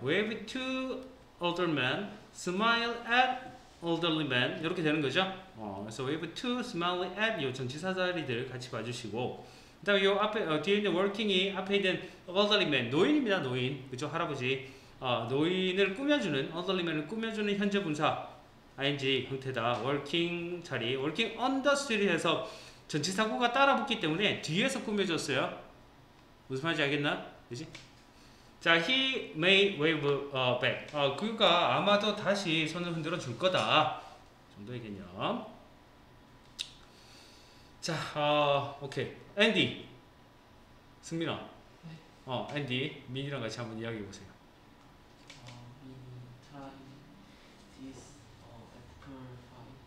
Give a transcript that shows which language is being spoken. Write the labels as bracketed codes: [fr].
[en] wave to older men, smile at elderly men. [ko] 이렇게 되는 거죠. 어, 그래서 [en] wave to, smile at [ko] 요 전치사 자리들 같이 봐주시고. 그 다음에 요 앞에, 어, 뒤에 있는 working이 앞에 있는 [en] elderly men, [ko] 노인입니다. 노인. 그죠? 할아버지. 어, 노인을 꾸며주는, [en] elderly men [ko] 을 꾸며주는 현재 분사. ing 형태다. working 자리. [en] working on the street [ko] 해서 전치사구가 따라 붙기 때문에 뒤에서 꾸며줬어요. 무슨 말인지 알겠나? 그지? 자, [en] he may wave back. [ko] 어, 그가 아마도 다시 손을 흔들어 줄 거다. 정도의 개념. 자, 어, 오케이. 앤디. 승민아. 네. 어, 앤디. 민이랑 같이 한번 이야기 해보세요. 어, 민이, [en] try this ethical fight.